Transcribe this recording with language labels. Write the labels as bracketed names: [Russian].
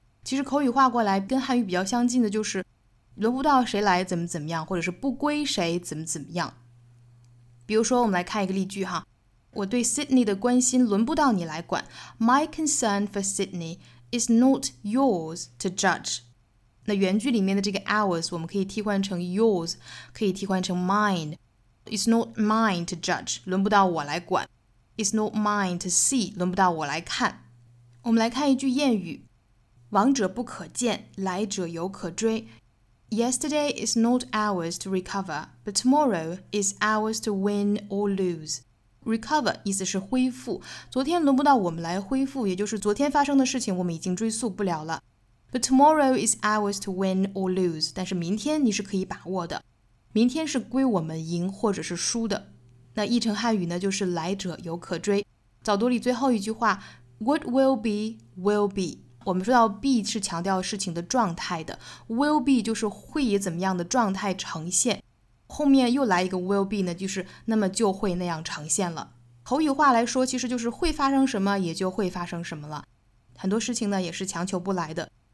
[Chinese] 其实口语化过来跟汉语比较相近的就是轮不到谁来怎么怎么样，或者是不归谁怎么怎么样。比如说我们来看一个例句哈，我对 Sydney 的关心轮不到你来管。 [English] My concern for Sydney is not yours to judge。 [Chinese] 那原句里面的这个 ours 我们可以替换成 yours， 可以替换成 mine。 [English] It's not mine to judge， [Chinese] 轮不到我来管。 [English] It's not mine to see， [Chinese] 轮不到我来看。我们来看一句谚语，往者不可见，来者犹可追。 [English] Yesterday is not ours to recover, but tomorrow is ours to win or lose. [Chinese] Recover 意思是恢复，昨天轮不到我们来恢复，也就是昨天发生的事情我们已经追溯不了了。 [English] But tomorrow is ours to win or lose. [Chinese] 但是明天你是可以把握的，明天是归我们赢或者是输的。那译成汉语呢，就是来者犹可追。早读里最后一句话 [English] What will be, will be. [Chinese] 我们说到 be 是强调事情的状态的， will be 就是会以怎么样的状态呈现，后面又来一个 will be 呢，就是那么就会那样呈现了。口语化来说，其实就是会发生什么也就会发生什么了，很多事情呢也是强求不来的。